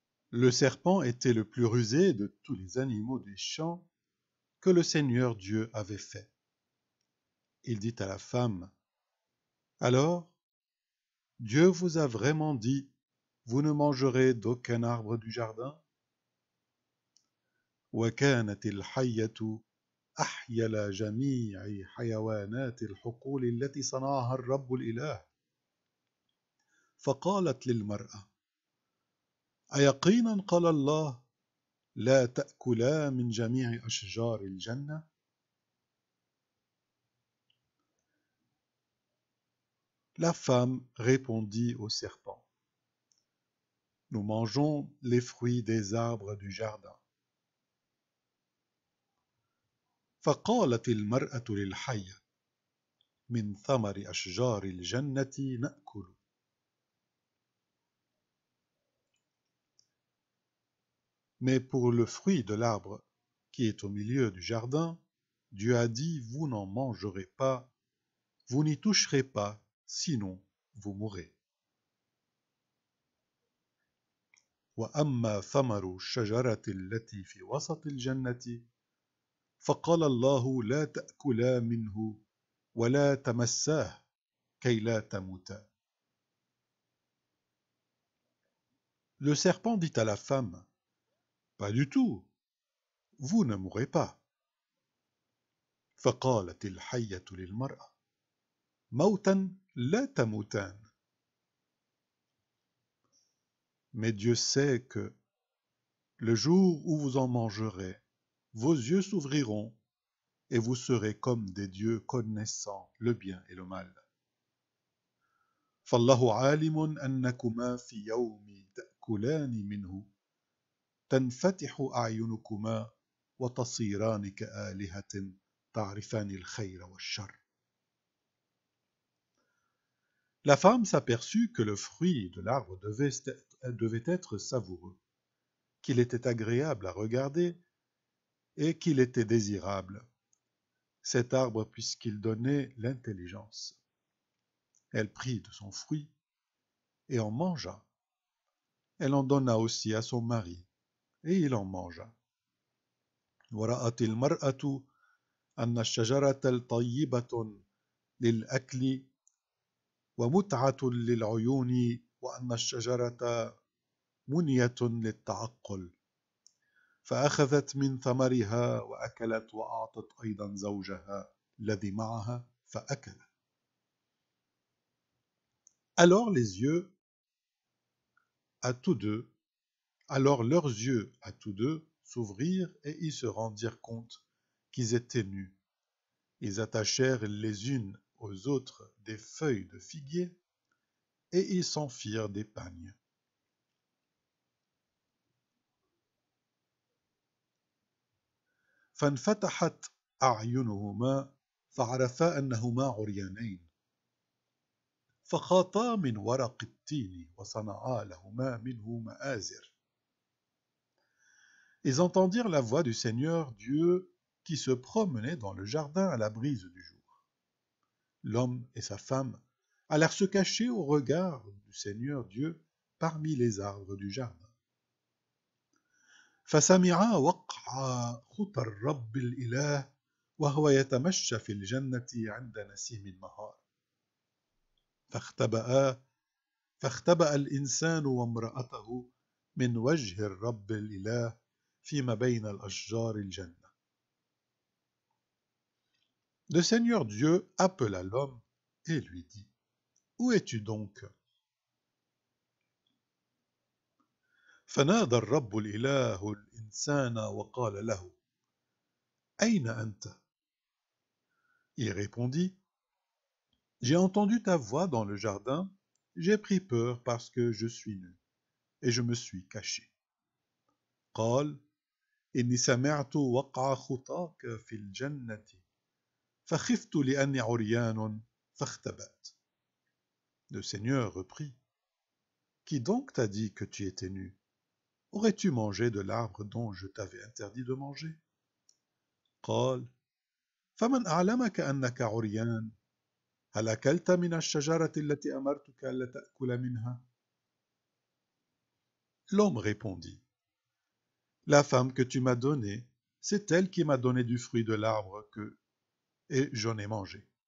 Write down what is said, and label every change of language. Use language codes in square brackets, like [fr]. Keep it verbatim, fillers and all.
[fr] Le serpent était le plus rusé de tous les animaux des champs que le Seigneur Dieu avait faits. Il dit à la femme : Alors, Dieu vous a vraiment dit : Vous ne mangerez d'aucun arbre du jardin ? [ar] وكانت الحية أحيل جميع حيوانات الحقول التي صنعها الرب الإله. فقالت للمرأة: أيقينا قال الله لا تأكلا من جميع أشجار الجنة؟ [fr] La femme répondit au serpent: Nous mangeons les fruits des arbres du jardin. [ar] فقالت المرأة للحية: من ثمر أشجار الجنة نأكل. [fr] Mais pour le fruit de l'arbre qui est au milieu du jardin, Dieu a dit : Vous n'en mangerez pas, vous n'y toucherez pas, sinon vous mourrez. [ar] وأما ثمر الشجرة التي في وسط الجنة فقال الله لا تأكلا منه ولا تمساه كي لا تموتا. [fr] Le serpent dit à la femme: Pas du tout, vous ne mourrez pas. [ar] فقالت الحية للمرأة: موتا لا تموتان. [fr] Mais Dieu sait que le jour où vous en mangerez, vos yeux s'ouvriront, et vous serez comme des dieux connaissant le bien et le mal. [ar] فالله عالم أنكما في يوم تأكلان منه تنفتح أعينكما وتصيران كآلهة تعرفان الخير والشر. [fr] La femme s'aperçut que le fruit de l'arbre devait, devait être savoureux, qu'il était agréable à regarder, et qu'il était désirable, cet arbre puisqu'il donnait l'intelligence. Elle prit de son fruit et en mangea. Elle en donna aussi à son mari, et il en mangea. [ar] ورأت المرأة أن الشجرة الطيبة للأكل ومتعة للعيون وأن الشجرة منية للتعقل. فأخذت من ثمرها وأكلت وأعطت أيضا زوجها الذي معها فأكل. [fr] Alors les yeux à tous deux, alors leurs yeux à tous deux s'ouvrirent et ils se rendirent compte qu'ils étaient nus. Ils attachèrent les unes aux autres des feuilles de figuier et ils s'en firent des pagnes. [ar] فانفتحت أعينهما فعرفا أنهما عريانين فخاطا من ورق التين وصنعا لهما منه مآزر. [fr] Ils entendirent la voix du Seigneur Dieu qui se promenait dans le jardin à la brise du jour. L'homme et sa femme allèrent se cacher au regard du Seigneur Dieu parmi les arbres du jardin. [ar] فسمعا وقع خطى الرب الإله وهو يتمشى في الجنة عند نسيم النهار. فاختبأ فاختبأ الإنسان وامرأته من وجه الرب الإله فيما بين الأشجار الجنة. [fr] Le Seigneur Dieu appela l'homme et lui dit: Où es-tu donc? [ar] فنادى الرب الإله الإنسان وقال له: أين أنت؟ [fr] Il répondit: J'ai entendu ta voix dans le jardin, j'ai pris peur parce que je suis nu, et je me suis caché. [ar] قال: إني سمعت وقع خطاك في الجنة فخفت لأني عريان فاختبأت. [fr] Le Seigneur reprit: Qui donc t'a dit que tu étais nu? Aurais-tu mangé de l'arbre dont je t'avais interdit de manger? [ar] قال: فمن أعلمك أنك عريان هل أكلت من الشجرة التي أمرتك ألا تأكل منها؟ [fr] L'homme répondit, La femme que tu m'as donnée, c'est elle qui m'a donné du fruit de l'arbre que, et j'en ai mangé.